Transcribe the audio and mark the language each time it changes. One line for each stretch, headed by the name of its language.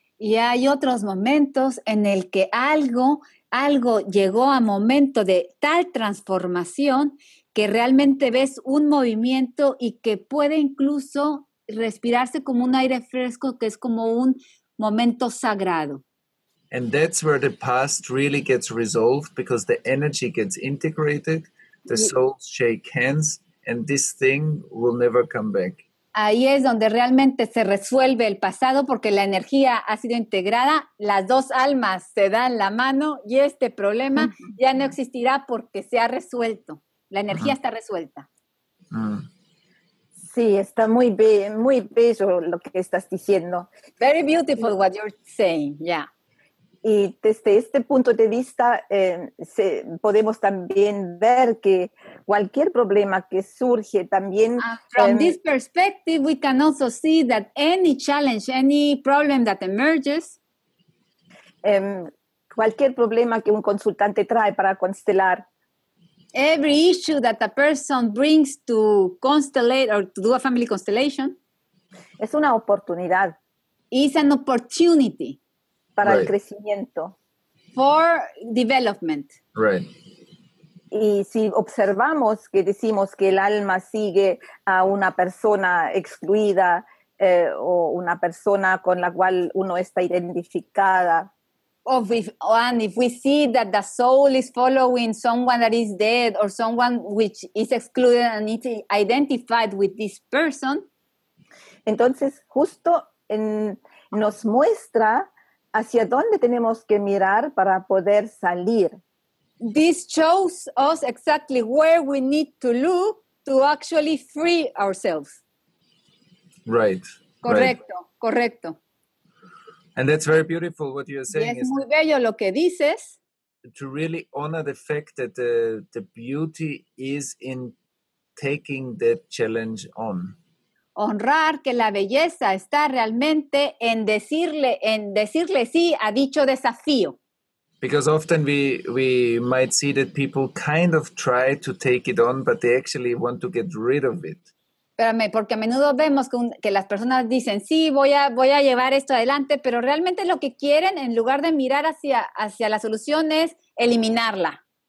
Spanish: Y hay otros momentos en el que algo llegó a momento de tal transformación que realmente ves un movimiento y que puede incluso respirarse como un aire fresco, que es como un momento sagrado.
English: And that's where the past really gets resolved, because the energy gets integrated, the souls shake hands, and this thing will never come back.
Spanish: Ahí es donde realmente se resuelve el pasado, porque la energía ha sido integrada, las dos almas se dan la mano y este problema ya no existirá porque se ha resuelto. La energía está resuelta. Sí, está muy bien, muy bello lo que estás diciendo.
English: Very beautiful what you're saying, yeah.
Spanish: Y desde este punto de vista, podemos también ver que cualquier problema que surge también...
English: From this perspective, we can also see that any challenge, any problem that emerges...
Spanish: Cualquier problema que un consultante trae para constelar...
English: Every issue that a person brings to constellate or to do a family constellation...
Spanish: Es una oportunidad.
English: Is an opportunity.
Spanish: Para right. El crecimiento.
English: For development. Right.
Spanish: Y si observamos que decimos que el alma sigue a una persona excluida o una persona con la cual uno está identificada.
English: If we see that the soul is following someone that is dead or someone which is excluded and it is identified with this person.
Spanish: Entonces justo nos muestra... ¿Hacia dónde tenemos que mirar para poder salir?
English: This shows us exactly where we need to look to actually free ourselves. Right.
Spanish: Correcto, right. Correcto.
English: And that's very beautiful what you're saying.
Spanish: Y es muy bello lo que dices.
English: To really honor the fact that the beauty is in taking that challenge on.
Spanish: Honrar que la belleza está realmente en decirle sí a dicho desafío.
English: Because often we might see that people kind of try to take it on, but they actually want to get rid of it.
Spanish: Espérame, porque a menudo vemos que las personas dicen sí, voy a llevar esto adelante, pero realmente lo que quieren, en lugar de mirar hacia la solución, es eliminarla.